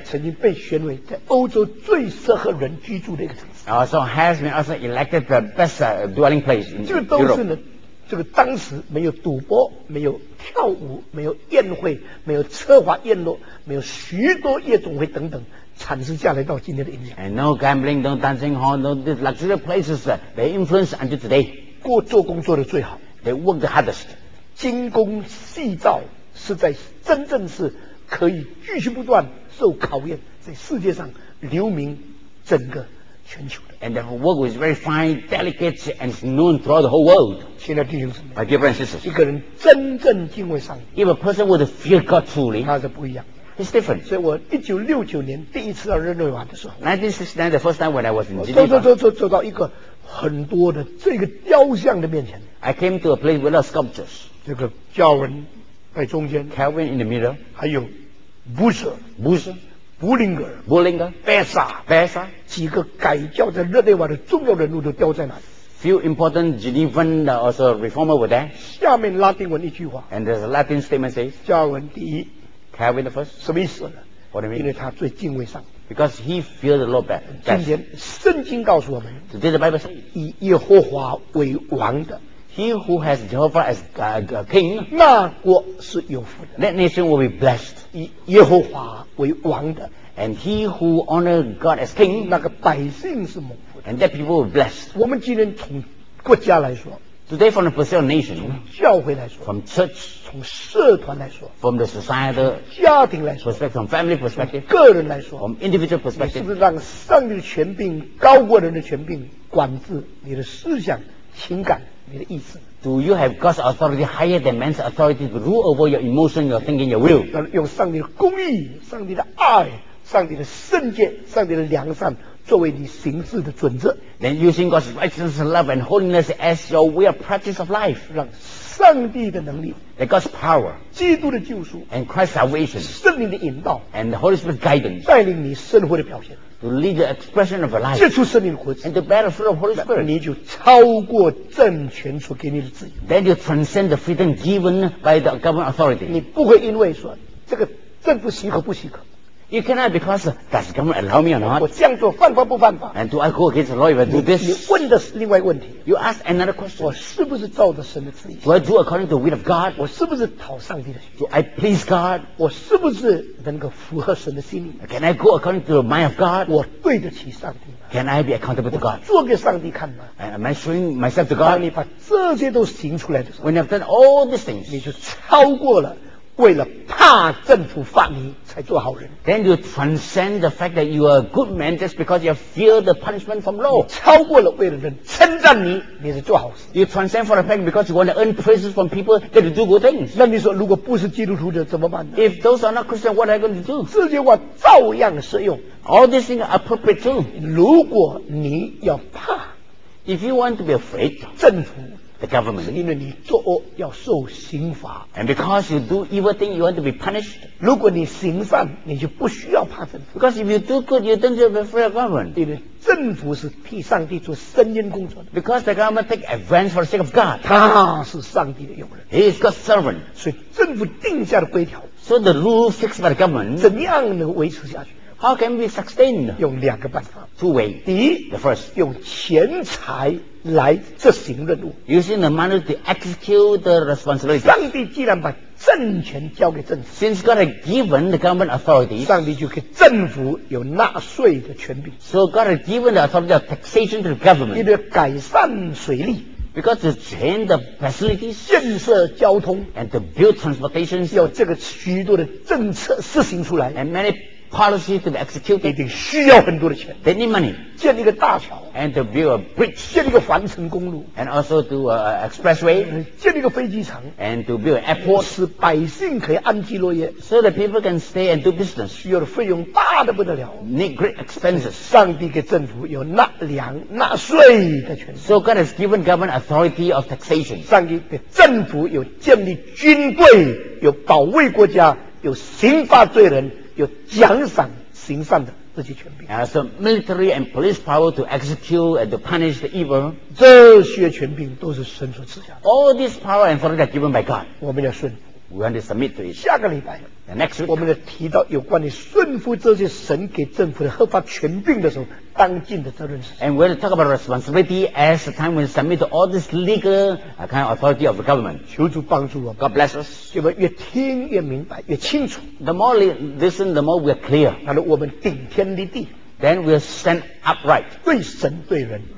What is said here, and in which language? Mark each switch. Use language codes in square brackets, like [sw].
[zh] 曾经被选为在欧洲最适合人居住的一个城市。 [en] So has been also elected the best dwelling place in Europe. [zh] 这个都是呢，这个当时没有赌博，没有跳舞，没有宴会，没有策划宴乐，没有许多夜总会等等，产生下来到今天的影响。 [en] And no gambling, no dancing hall, no these luxury places, they influence until today. [zh] 过做工作的最好。 [en] They work the hardest. [zh] 精工细造是在真正是可以继续不断受考验，在世界上留名整个全球的。 [en] And their work was very fine, delicate, and known throughout the whole world. [zh] 亲爱的弟兄姊妹 [en] My dear brothers and sisters, [zh] 一个人真正敬畏上帝 [en] If a person would fear God truly, [zh] 他是不一样。 [en] It's different. [zh] 所以我1969年第一次到日内瓦的时候 [en] 1969, the first time when I was in Geneva, [zh] 走到一个很多的这个雕像的面前 [en] I came to a place without sculptures. [zh] 这个教文在中间 [en] Calvin in the middle. [zh] 还有 Bucer, [en] Bucer, [zh] Bullinger, [en] Bullinger, [zh] Bessa, [en] Bessa. [zh] 几个改教在日内瓦的重要人物都雕在那里 [en] Few important Genevan also reformer were there. [zh] 下面拉丁文一句话 [en] And there's a Latin statement says, [zh] 教文第一 [en] Calvin the first? [zh] 什么意思呢 [en] What do you mean? [zh] 因为他最敬畏上 [en] Because he feared the Lord best. [zh] 今天圣经告诉我们 [en] Today the Bible says, [zh] 以耶和华为王的 [en] He who has Jehovah as a king, [zh] 那国是有福的 [en] That nation will be blessed. [zh] 以耶和华为王的 [en] And he who honor God as king, [zh] 那个百姓是蒙福的 [en] And that people will be blessed. [zh] 我们今天从国家来说 [en] Today, from the personal nation, [zh] 从教会来说 [en] from church, [zh] 从社团来说 [en] from the society, [zh] 家庭来说 [en] perspective, from family perspective, [zh] 个人来说 [en] from individual perspective, [zh] 你是不是让上帝的权柄高过人的权柄管制你的思想、情感、你的意志 [en] Do you have God's authority higher than man's authority to rule over your emotion, your thinking, your will? [zh] 要用上帝的公义、上帝的爱、上帝的圣洁、上帝的良善作为你行事的准则 [en] Then using God's righteousness, love and holiness as your way of practice of life [zh] 让上帝的能力 [en] That God's power [zh] 基督的救赎 [en] And Christ's salvation [zh] 圣灵的引导 [en] And the Holy Spirit's guidance [zh] 带领你生活的表现 [en] To lead the expression of a life [zh] 结出圣灵的果子 [en] And to bear the fruit of Holy Spirit [zh] 你就超过政权所给你的自由 [en] Then you transcend the freedom given by the government authority [zh] 你不会因为说这个政府许可不许可 [en] You cannot because does government allow me or not? [zh] 我这样做犯法不犯法 [en] And do I go against the law if I do this? [zh] 你问的是另外一个问题 [en] You ask another question [zh] 我是不是照着神的旨意 [en] Do I do according to the will of God? [zh] 我是不是讨上帝的心 [en] Do I please God? [zh] 我是不是能够符合神的心意 [en] Can I go according to the mind of God? [zh] 我对得起上帝 [en] Can I be accountable to God? [zh] 我做给上帝看吗 [en] And am I showing myself to God? [zh] 当你把这些都行出来的时候 [en] When I've done all these things [zh] 你就超过了为了怕政府罚你才做好人 [en] Then you transcend the fact that you are a good man just because you fear the punishment from law [zh] 超过了为了人称赞你你是做好事 [en] You transcend for the fact because you want to earn praises from people that do good things [zh] 那你说如果不是基督徒的怎么办呢 [en] If those are not Christian what are you going to do [zh] 这句话照样适用 [en] All these things are appropriate too [zh] 如果你要怕 [en] If you want to be afraid [zh] 政府 [en] The government. [zh] 是因为你作恶要受刑罚 [en] And because you do evil things, you want to be punished. [zh] 如果你行善，你就不需要怕政府 [en] Because if you do good, you don't have to be afraid of government. [zh] 因为政府是替上帝做伸冤工作的 [en] Because the government takes advance for the sake of God. [zh] 他是上帝的用人 [en] He is God's servant. [zh] 所以政府定下的规条 [en] So the rule fixed by the government. [zh] 怎样能维持下去 [en] How can we sustain? [zh] 用两个办法 [en] Two ways. [zh] 第一 [en] The first. [zh] 用钱财来执行任务 [en] using the money to execute the responsibility [zh] 上帝既然把政权交给政府 [en] since God has given the government authority [zh] 上帝就给政府有纳税的权柄 [en] so God has given the authority of taxation to the government [zh] 因为改善水利 [en] because to change the facilities [zh] 建设交通 [en] and to build transportation [zh] 要这个许多的政策实行出来 [en] and manyPolicy to be executed. [zh] 一定需要很多的钱。 [en] They need money. [zh] 建一个大桥。 [en] And to build a bridge. [zh] 建一个环城公路。 [en] And also to an expressway. [zh] 建一个飞机场。 [en] And to build an airport. [zh] 使百姓可以安居乐业。 [en] So that people can stay and do business. [zh] 需要的费用大得不得了。 [en] Need great expenses. [zh] 上帝给政府有纳粮、纳税的权利。 [en] So God has given government authority of taxation. [zh] 上帝给政府有建立军队、有保卫国家、有刑罚罪人。有奖赏行善的这些权柄 [en] So military and police power to execute and to punish the evil [zh] 这些权柄都是神所赐下的 [en] All this power and authority are given by God [zh] 我们要顺服 [en] We want to submit to it. [zh] 下个礼拜 [en] the next week, [zh] 我们要提到有关于顺服这些神给政府的合法权柄的时候当尽的责任是 [en] And we'll talk about responsibility as the time we submit to all this legal kind of authority of the government. [zh] 求主帮助我 [en] God bless us. [zh] 就越听越明白越清楚 [en] The more we listen, the more we're clear. [zh] 然后我们顶天立地 [en] Then we'll stand upright. [zh] 对神对人